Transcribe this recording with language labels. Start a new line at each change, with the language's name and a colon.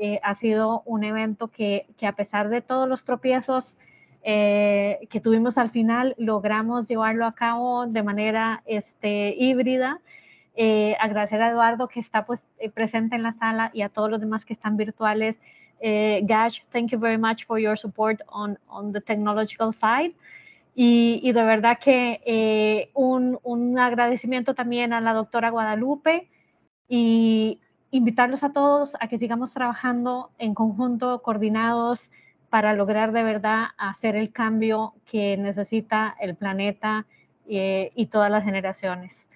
Spanish: Ha sido un evento que a pesar de todos los tropiezos que tuvimos al final, logramos llevarlo a cabo de manera híbrida. Agradecer a Eduardo que está pues presente en la sala y a todos los demás que están virtuales.
English: Gash, thank you very much for your support on the technological side.
Spanish: Y de verdad que un agradecimiento también a la doctora Guadalupe y invitarlos a todos a que sigamos trabajando en conjunto, coordinados, para lograr de verdad hacer el cambio que necesita el planeta y todas las generaciones.